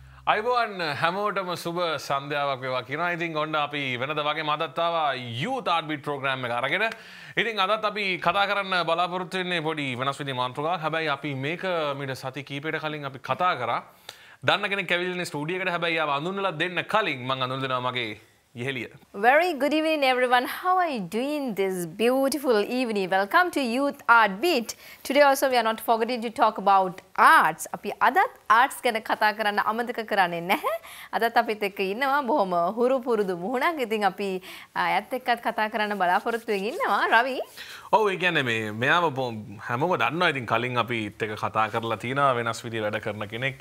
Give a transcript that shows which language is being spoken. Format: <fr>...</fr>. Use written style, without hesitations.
<si>අයිබෝන් හැමෝටම සුබ සන්ධ්‍යාවක් වේවා කියනවා. ඉතින් ඔන්න අපි වෙනද වගේ මාතත්තාව යූත් ආර්බිට් ප්‍රෝග්‍රෑම් එක අරගෙන ඉතින් අදත් අපි කතා කරන්න බලාපොරොත්තු වෙන්නේ පොඩි වෙනස් විදි මාතෘකාවක්. හැබැයි අපි මේක මීට සති කීපයකට කලින් අපි කතා කරා. දන්න කෙනෙක් ඇවිල්ලානේ ස්ටුඩියෝ එකට. හැබැයි ආව අඳුන්නලා දෙන්න කලින් මම අඳුන දෙනවා මගේ යෙහෙලිය.</si> <en>Very good evening everyone. How are you doing this beautiful evening? Welcome to Youth Art Beat. Today also we are not forgetting to talk about arts.</en> <si>අපි අදත් arts ගැන කතා කරන්න අමතක කරන්නේ නැහැ. අදත් අපිත් එක්ක ඉන්නවා බොහොම හුරු පුරුදු මුහුණක්. ඉතින් අපි ඇත්ත එක්කත් කතා කරන්න බලාපොරොත්තු වෙමින් ඉන්නවා රවි. ඔව් ඒ කියන්නේ මේ මෙයාම හැමෝම දන්නවා. ඉතින් කලින් අපිත් එක්ක කතා කරලා තිනවා වෙනස් විදිහ වැඩ කරන කෙනෙක්.</si>